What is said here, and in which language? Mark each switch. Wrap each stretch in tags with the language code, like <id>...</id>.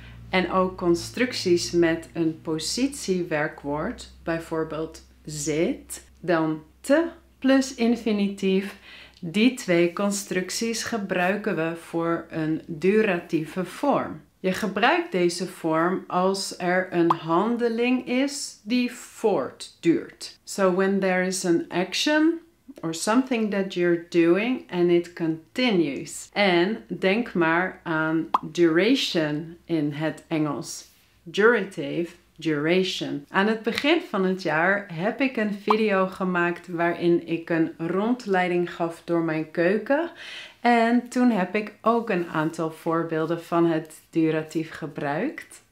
<nl>En ook constructies met een positiewerkwoord, bijvoorbeeld zit, dan te plus infinitief. Die twee constructies gebruiken we voor een duratieve vorm. Je gebruikt deze vorm als er een handeling is die voortduurt.</nl> <en>So when there is an action or something that you're doing and it continues.</en> <nl>En denk maar aan duration in het Engels. Durative, duration. Aan het begin van het jaar heb ik een video gemaakt waarin ik een rondleiding gaf door mijn keuken. En toen heb ik ook een aantal voorbeelden van het duratief gebruikt.</nl>